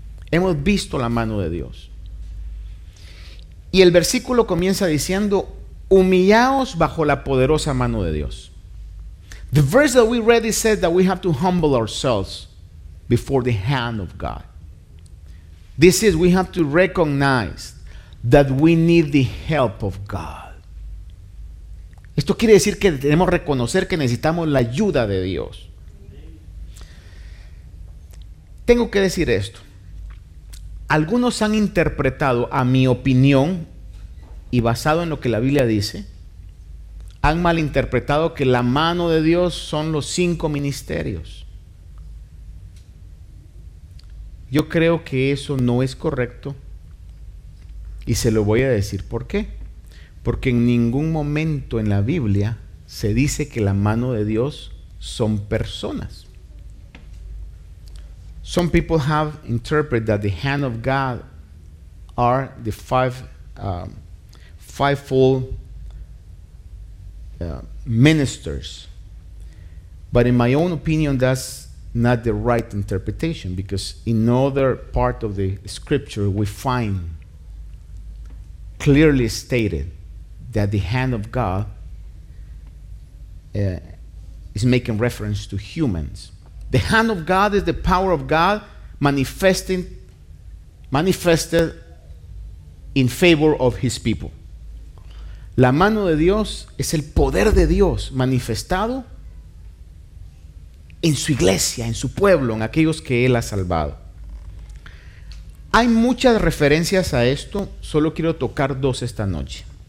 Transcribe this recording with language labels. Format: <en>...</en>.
<es>Hemos visto la mano de Dios. Y el versículo comienza diciendo: humillaos bajo la poderosa mano de Dios.</es> <en>The verse that we read it says that we have to humble ourselves before the hand of God. This is, we have to recognize that we need the help of God.</en> <es>Esto quiere decir que debemos reconocer que necesitamos la ayuda de Dios. Tengo que decir esto. Algunos han interpretado, a mi opinión, y basado en lo que la Biblia dice, han malinterpretado que la mano de Dios son los cinco ministerios. Yo creo que eso no es correcto, y se lo voy a decir por qué. Porque en ningún momento en la Biblia se dice que la mano de Dios son personas.</es> <en>Some people have interpreted that the hand of God are the fivefold ministers, but in my own opinion, that's not the right interpretation, because in other part of the scripture we find clearly stated that the hand of God is making reference to humans. The hand of God is the power of God manifested in favor of His people.</en> <es>La mano de Dios es el poder de Dios manifestado en su iglesia, en su pueblo, en aquellos que Él ha salvado. Hay muchas referencias a esto, solo quiero tocar dos esta noche.</es>